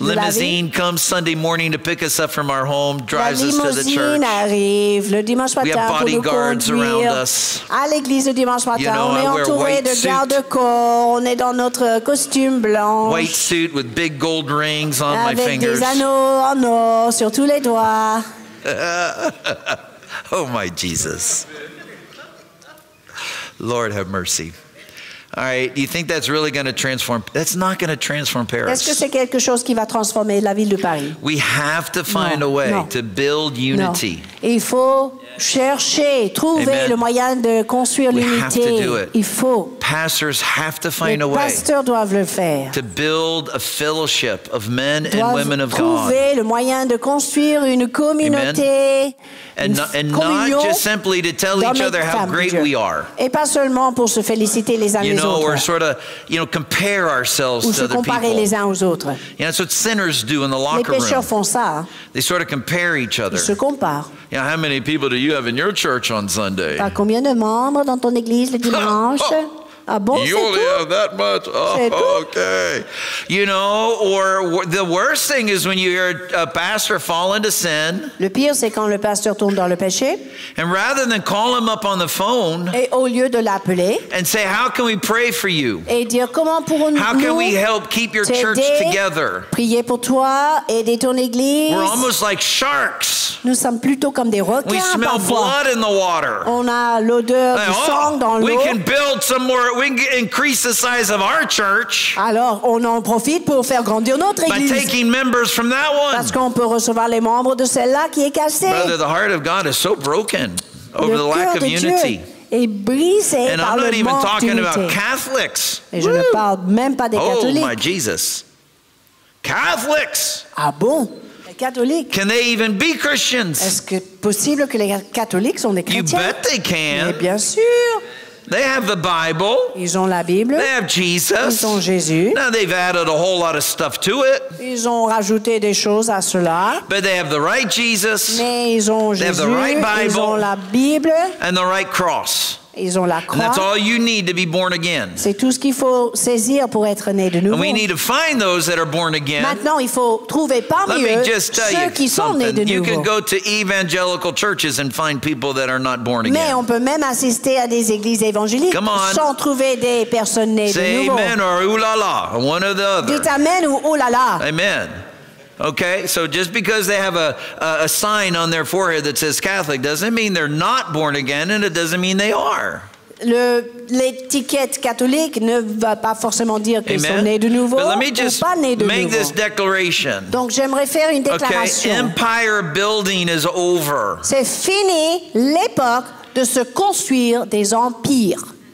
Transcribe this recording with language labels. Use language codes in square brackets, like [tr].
[en] Limousine comes Sunday morning to pick us up from our home, drives us to the church. [fr] La limousine arrive le dimanche matin pour nous conduire. [en] We have bodyguards around us. [fr] À l'église le dimanche matin, [en] you know, [fr] on est entouré de garde-corps. On est dans notre costume. Blanche, [en] white suit with big gold rings on [fr] avec [en] my fingers. [fr] Des anneaux en or sur tous les doigts. [en] Oh my Jesus. Lord have mercy. All right, do you think that's really going to transform? That's not going to transform Paris. [fr] Est-ce que c'est quelque chose qui va transformer la ville de Paris? [en] We have to find a way to build unity. [fr] Non. Il faut chercher, trouver le moyen de construire l'unité. [en] We have to do it. [fr] Il faut. [en] Pastors have to find a way. [fr] Les pasteurs doivent le faire. [en] To build a fellowship of men and women of God. [fr] Trouver le moyen de construire une communauté. [en] And not just simply to tell each other how great we are. [fr] Et pas seulement pour se féliciter les uns les autres. [en] You know, or sort of, you know, compare ourselves to other people. [fr] Ou se comparer les uns aux autres. [en] You know, that's what sinners do in the locker room. [fr] Les pécheurs font ça. [en] They sort of compare each other. [fr] Ils se comparent. [en] You know, how many people do you have in your church on Sunday? [fr] T'as combien de membres dans ton église le dimanche? Ah bon, [en] you only [fr] tout? [en] Have that much. Oh, okay. You know, or the worst thing is when you hear a pastor fall into sin. [fr] Le pire, c'est quand le pasteur tombe dans le péché. [en] And rather than call him up on the phone. [fr] Et au lieu de l'appeler. [en] And say, how can we pray for you? [fr] Et dire, comment pourrons-nous [en] how can we help keep your church together? [fr] Prier pour toi, aider ton église. [en] We're almost like sharks. [fr] Nous sommes plutôt comme des requins. [en] We smell blood in the water. [fr] On a l'odeur du sang dans l'eau. [en] We can build some more. We can increase the size of our church. [fr] Alors, on en profite pour faire grandir notre église. [en] By taking members from that one. [fr] Parce qu'on peut recevoir les membres de celle-là qui est cassée. [en] Brother, the heart of God is so broken over [fr] le [en] the lack of unity. [fr] Est brisé [en] and [fr] par [en] I'm not [fr] le [en] even talking [fr] d'unité. [en] About Catholics. [fr] Et je ne parle même pas des catholiques. [en] Oh my Jesus. Catholics. [fr] Ah bon? Les catholiques. [en] Can they even be Christians? [fr] Est-ce que possible que les catholiques sont des chrétiens? [en] You bet they can. [fr] Mais bien sûr. [en] They have the Bible. [fr] Ils ont la Bible. [en] They have Jesus. [fr] Ils ont Jésus. [en] Now they've added a whole lot of stuff to it. [fr] Ils ont rajouté des choses à cela. [en] But they have the right Jesus. [fr] Mais ils ont [en] they [fr] Jésus. [en] Have the right Bible. [fr] Ils ont la Bible. [en] And the right cross. [fr] Ils ont la croix. [en] And that's all you need to be born again. [fr] C'est tout ce qu'il faut saisir pour être né de nouveau. [en] And we need to find those that are born again. [fr] Maintenant, il faut trouver parmi [en] let [fr] eux [en] me just tell [fr] ceux [en] you [fr] qui [en] something. [fr] Sont nés de nouveau. [en] You can go to evangelical churches and find people that are not born again. [fr] Mais on peut même assister à des églises évangéliques sans trouver des personnes nées [en] say [fr] de nouveau. [en] Say amen or oulala, one or the other. [fr] Dites amen ou oulala. [en] Amen. Okay, so just because they have a sign on their forehead that says Catholic doesn't mean they're not born again, and it doesn't mean they are. [fr] L'étiquette catholique ne va pas forcément dire qu'ils [en] amen. [fr] Sont nés de nouveau [en] but let me just [fr] ou pas nés de [en] make [fr] nouveau. [en] This declaration. [fr] Donc j'aimerais faire une déclaration. [en] Okay, empire building is over. [fr] C'est fini l'époque de se construire des empires.